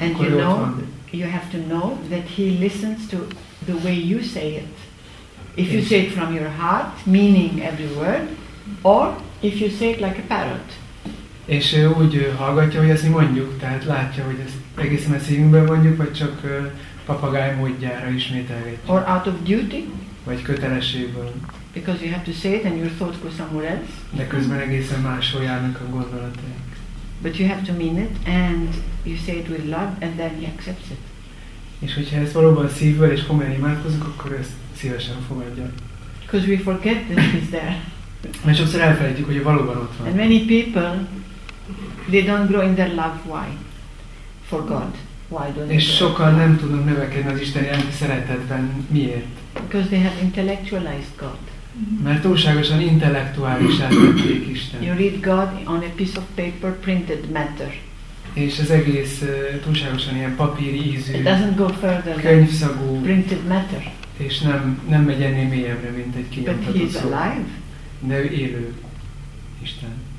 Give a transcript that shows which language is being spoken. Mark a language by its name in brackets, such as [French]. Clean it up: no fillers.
[English] and you know, you have to know that he listens to the way you say it. If you say it from your heart, meaning every word, or if you say it like a parrot. [Hungarian] És úgy hallgatja, hogy ezt mi mondjuk, tehát látja, hogy ezt egészen a szívünkben mondjuk, vagy csak papagáj módjára ismételjük. [English] Or out of duty. [Hungarian] Vagy kötelességből. [English] Because you have to say it and your thoughts go somewhere else. [Hungarian] De közben egészen máshol járnak a gondolataink. [English] But you have to mean it and you say it with love and then he accepts it. [Hungarian] És hogyha ez valóban szívvel és komolyan imádkozunk, akkor ezt szívesen fogadja. [English] Because we forget that he's there. [Hungarian] Mert sokszor elfelejtjük, hogy valóban ott van. [English] And many people, they don't grow in their love. Why? For God. Why don't they? [Hungarian] És sokan nem tudnak növekedni az Isteni szeretetben. Miért? [English] Because they have intellectualized God. [Hungarian] Mert túlságosan intellektuális elvették Isten. [English] You read God on a piece of paper printed matter. [Hungarian] És az egész túlságosan ilyen papíri ízű, [English] it doesn't go further [Hungarian] könyvszagú, [English] than printed matter. [Hungarian] És nem megy ennél mélyebbre, mint egy kinyomtatott szó. [English] But he is alive. [Hungarian] De ő élő Isten.